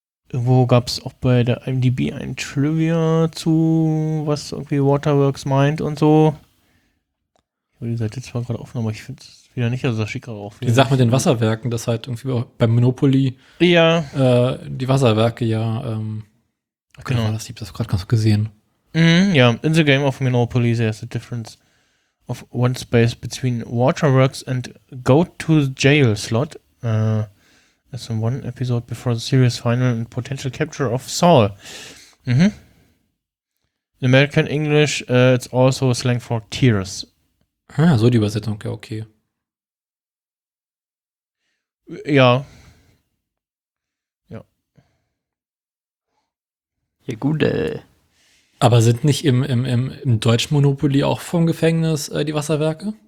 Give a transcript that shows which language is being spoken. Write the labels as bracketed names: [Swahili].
[German] Irgendwo gab es auch bei der IMDb ein Trivia zu, was irgendwie Waterworks meint und so. Ich habe die Seite zwar gerade offen, aber ich finde es wieder nicht, also das schicke auch. Die Sache mit den Wasserwerken, dass halt irgendwie bei Monopoly ja. Die Wasserwerke ja. Genau. Das habe ich gerade ganz gesehen. [English] Ja, in the game of Monopoly there's a difference of one space between Waterworks and go to jail slot. As in one episode before the series final and potential capture of Saul. Mhm. In American English, it's also a slang for tears. [German] Ah, so die Übersetzung, ja, okay. Ja. Ja. Ja, gut, Aber sind nicht im Deutsch Monopoly auch vom Gefängnis die Wasserwerke?